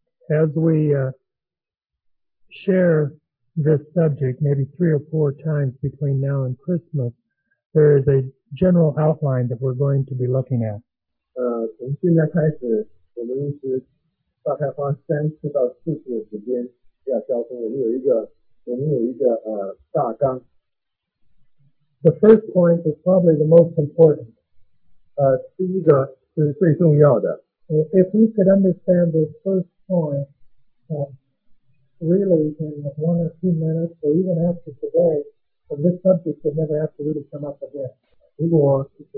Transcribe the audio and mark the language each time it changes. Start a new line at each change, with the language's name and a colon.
English: as we share this subject maybe three or four times between now and Christmas, there is a general outline that we're going to be looking at.
Chinese: 从现在开始，我们一直大概花三次到四次的时间要交通，我们有一个大纲。
English: The first point is probably the most important.
Chinese: 第一个是最重要的。
English: If we could understand this first point really in one or two minutes, or even after today, then this subject would never have to really come up again.